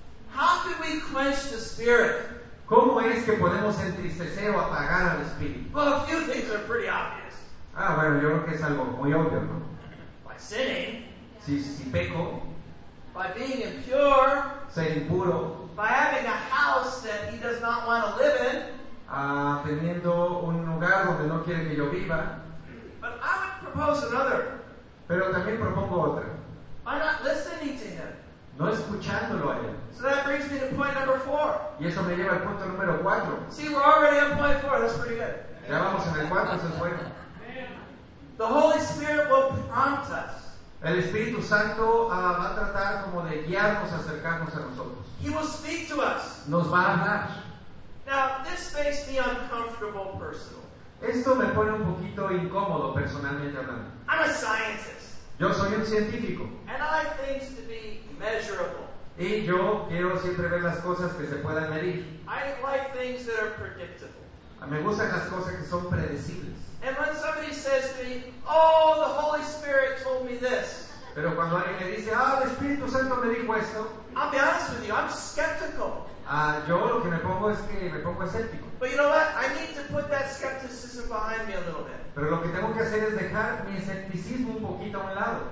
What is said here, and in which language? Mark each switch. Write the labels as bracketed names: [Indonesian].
[English] How can we quench the Spirit? [Spanish] ¿Cómo es que podemos entristecer o apagar al Espíritu? [English] Well, a few things are pretty obvious. [Spanish] Ah, bueno, yo creo que es algo muy obvio, ¿no? [English] By sinning. [Spanish] Si peco. [English] By being impure. [Spanish] Ser impuro. [English] By having a house that he does not want to live in. [Spanish] Teniendo un lugar donde no quiere que yo viva. [English] But I would propose another. [Spanish] Pero también propongo otra. [English] By not listening to him. [Spanish] No escuchándolo a él. [English] So that brings me to point number 4. [Spanish] Y eso me lleva al punto número 4. [English] See, we're already on point 4. That's pretty good. [Spanish] Ya vamos en el 4, eso es bueno. [English] The Holy Spirit will prompt us. [Spanish] El Espíritu Santo va a tratar como de guiarnos, acercarnos a nosotros. [English] He will speak to us. [Spanish] Nos va a hablar. [English] Now, this makes me uncomfortable personally. [Spanish] Esto me pone un poquito incómodo personalmente hablando. [English] I'm a scientist. [Spanish] Yo soy un científico. [English] And I like things to be measurable. [Spanish] Y yo quiero siempre ver las cosas que se puedan medir. [English] I like things that are predictable. [Spanish] Me gustan las cosas que son predecibles. [English] And when somebody says to me, oh, the Holy Spirit told me this. [Spanish] Pero cuando alguien me dice, el Espíritu Santo me dijo esto. [English] I'll be honest with you, I'm skeptical. [Spanish] Yo lo que me pongo es que me pongo escéptico. [English] But you know what? I need to put that skepticism behind me a little bit. [Spanish] Pero lo que tengo que hacer es dejar mi escepticismo un poquito a un lado.